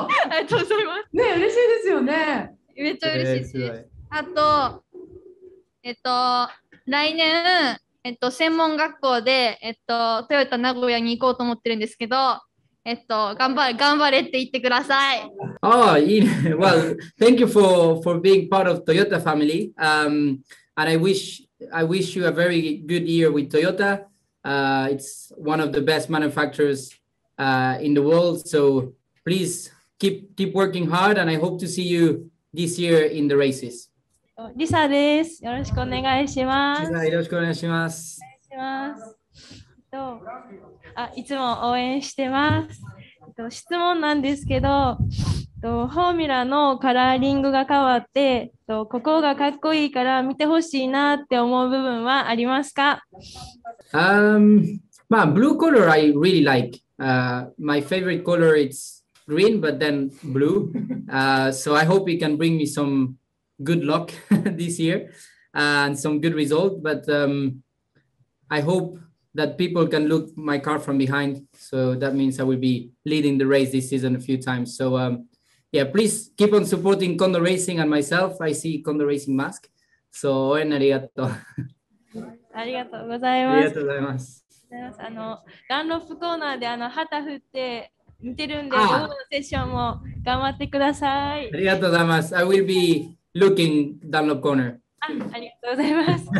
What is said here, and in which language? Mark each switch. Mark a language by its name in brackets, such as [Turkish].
[Japanese] ありがとうございます。ね、嬉しいですよね。めっちゃ嬉しいです。あと、来年、専門学校で、トヨタ名古屋に行こうと思ってるんですけど、頑張れって言ってください。あ、oh, いいね。 [English] Well, thank you for being part of Toyota family. And I wish you a very good year with Toyota. It's one of the best manufacturers in the world. So please keep working hard, and I hope to see you this year in the races. [Japanese] Lisa です。よろしくお願いします。 Lisa、よろしくお願いします。お願いします。いつも応援してます。質問なんですけど、フォーミュラのカラーリングが変わって、ここがかっこいいから見てほしいなって思う部分はありますか？まあ、ブルーコラー [English] I really like. My favorite color is green, but then blue. So I hope it can bring me some good luck this year and some good result. But I hope that people can look my car from behind. So that means I will be leading the race this season a few times. So, Yeah, please keep on supporting Condor Racing and myself. I see Condor Racing mask. So, [Japanese] ありがとう。ありがとうございます。ありがとうございます。ガンロップコーナーで旗振って見てるんで、今日のセッションも頑張ってください。ありがとうございます。 [English] I will be looking [Japanese] ダンロップコーナー。ありがとうございます。